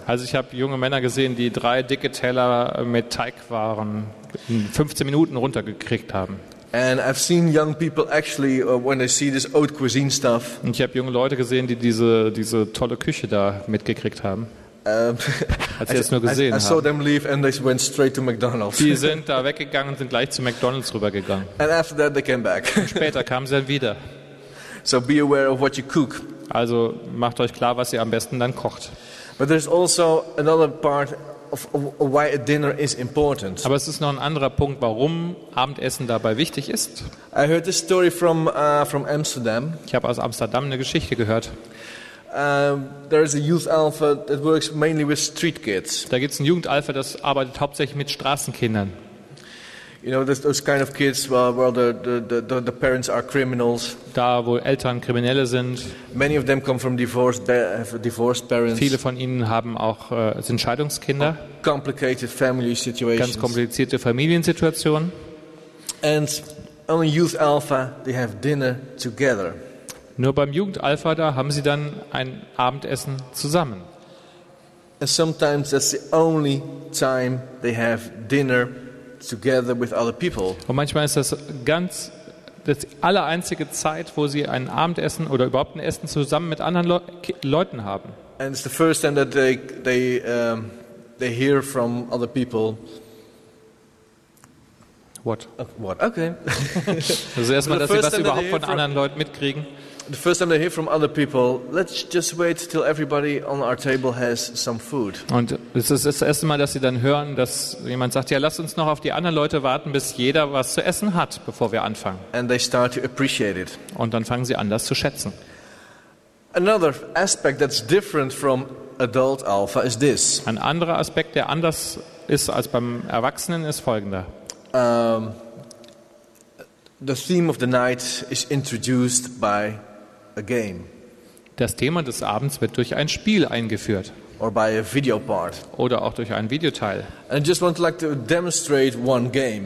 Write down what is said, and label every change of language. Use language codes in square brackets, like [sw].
[de] Also ich habe junge Männer gesehen, die 3 dicke Teller mit Teigwaren in 15 Minuten runtergekriegt haben. [en] And I've seen young people actually when they see this old cuisine stuff. [de] Und ich habe junge Leute gesehen, die diese tolle Küche da mitgekriegt haben. Als sie es nur gesehen haben. [en] I saw them leave and they went straight to McDonald's. [de] Die sind da weggegangen und sind gleich zu McDonald's rübergegangen. [en] And after that they came back. [de] Und später kamen sie dann wieder. [en] So be aware of what you cook. [de] Also macht euch klar, was ihr am besten dann kocht. [en] But there's also another part of why a dinner is important. [de] Aber es ist noch ein anderer Punkt, warum Abendessen dabei wichtig ist. [en] I heard this story from Amsterdam. [de] Ich habe aus Amsterdam eine Geschichte gehört. [en] There is a youth alpha that works mainly with street kids. [de] Da gibt's ein Jugendalpha, das arbeitet hauptsächlich mit Straßenkindern. [en] You know, those kind of kids where the parents are criminals. [de] Da, wo Eltern Kriminelle sind. [en] Many of them come from divorced parents. [de] Viele von ihnen haben auch sind Scheidungskinder. [en] Complicated family situations. [de] Ganz komplizierte Familiensituationen. [en] And only youth alpha, they have dinner together. [de] Nur beim Jugendalpha da haben sie dann ein Abendessen zusammen. [en] And sometimes that's the only time they have dinner together with other people. [de] Und manchmal ist das ganz das aller einzige Zeit, wo sie ein Abendessen oder überhaupt ein Essen zusammen mit anderen Leuten haben. [en] And it's the first time that they hear from other people. What? Okay. [de] Also erstmal, dass sie was überhaupt von anderen Leuten mitkriegen. [en] The first time they hear from other people, let's just wait till everybody on our table has some food. [de] Und es ist das erste Mal, dass sie dann hören, dass jemand sagt, ja, lass uns noch auf die anderen Leute warten, bis jeder was zu essen hat, bevor wir anfangen. [en] And they start to appreciate it. [de] Und dann fangen sie an, das zu schätzen. [en] Another aspect that's different from adult alpha is this. [de] Ein anderer Aspekt, der anders ist als beim Erwachsenen, ist folgender. [en] The theme of the night is introduced by a game. [de] Das Thema des Abends wird durch ein Spiel eingeführt. [en] Or by a video part. [de] Oder auch durch einen Videoteil. [en] And I just want like to demonstrate one game.